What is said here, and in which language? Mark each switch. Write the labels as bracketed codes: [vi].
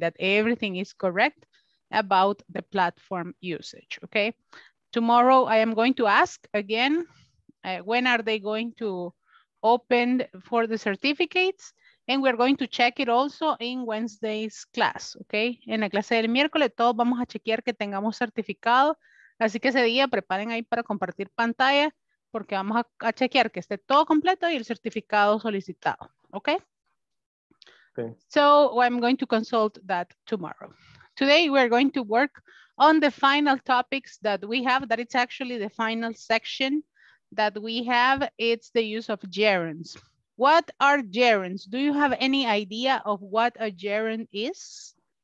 [en] That everything is correct about the platform usage, okay? Tomorrow, I am going to ask again, when are they going to open for the certificates? And we're going to check it also in Wednesday's class, okay? [es] En la clase del miércoles, todos vamos a chequear que tengamos certificado. Así que ese día preparen ahí para compartir pantalla, porque vamos a chequear que esté todo completo y el certificado solicitado, okay? [en] Okay. So I'm going to consult that tomorrow. Today we're going to work on the final topics that we have, that it's actually the final section that we have. It's the use of gerunds. What are gerunds? Do you have any idea of what a gerund is?